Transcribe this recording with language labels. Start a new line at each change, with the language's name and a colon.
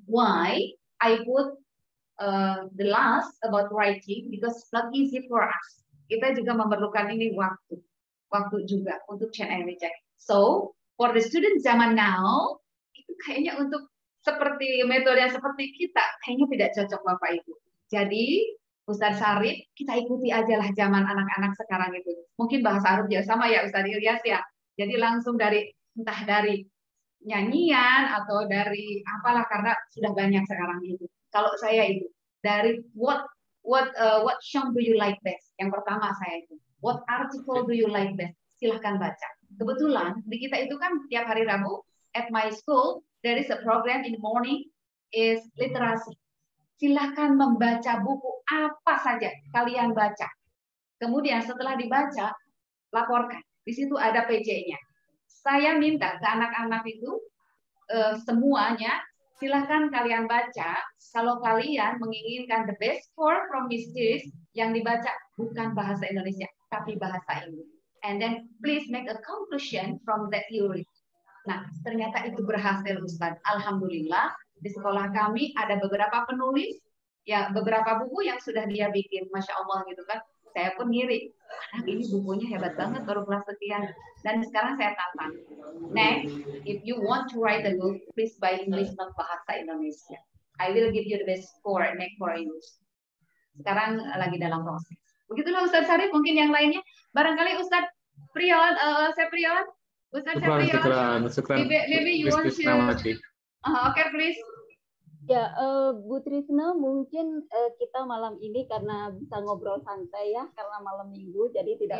English: Why I put the last about writing, because it's not easy for us.
Indonesian: Kita juga memerlukan ini waktu. Waktu juga untuk
English: check and recheck.
Indonesian: So,
English: for the student
Indonesian: zaman now, itu kayaknya untuk seperti metode yang seperti kita, kayaknya tidak cocok, Bapak Ibu. Jadi, Ustaz Syarif, kita ikuti aja lah zaman anak-anak sekarang itu. Mungkin bahasa Arab juga sama ya, Ustaz Ilyas ya. Jadi langsung dari, entah dari nyanyian atau dari apalah, karena sudah banyak sekarang itu. Kalau saya itu, dari
English: what song do you like best?
Indonesian: Yang pertama saya itu.
English: What article do you like best?
Indonesian: Silahkan baca. Kebetulan, di kita itu kan tiap hari Rabu,
English: at my school, there is a program in the morning, is literacy.
Indonesian: Silahkan membaca buku apa saja kalian baca. Kemudian setelah dibaca, laporkan. Di situ ada PJ-nya. Saya minta ke anak-anak itu, semuanya, silahkan kalian baca. Kalau kalian menginginkan
English: the best score from this series,
Indonesian: yang dibaca bukan bahasa Indonesia, tapi bahasa Inggris.
English: And then please make a conclusion from that theory.
Indonesian: Nah, ternyata itu berhasil, Ustaz. Alhamdulillah, di sekolah kami ada beberapa penulis, ya beberapa buku yang sudah dia bikin, Masya Allah gitu kan. Saya pun ngiri, anak ini bukunya hebat banget, baru kelas sekian. Dan sekarang saya tantang.
English: Next, if you want to write a book, please buy English, not bahasa Indonesia. I will give you the best score, make for you.
Indonesian: Sekarang lagi dalam proses. Begitulah Ustaz Syarif, mungkin yang lainnya. Barangkali Ustaz Prion, Seprion. Ustaz Seprion. Sekran.
English: Maybe you want to... Oke, please.
Indonesian: Ya, Bu Trisna, mungkin kita malam ini karena bisa ngobrol santai ya, karena malam minggu, jadi tidak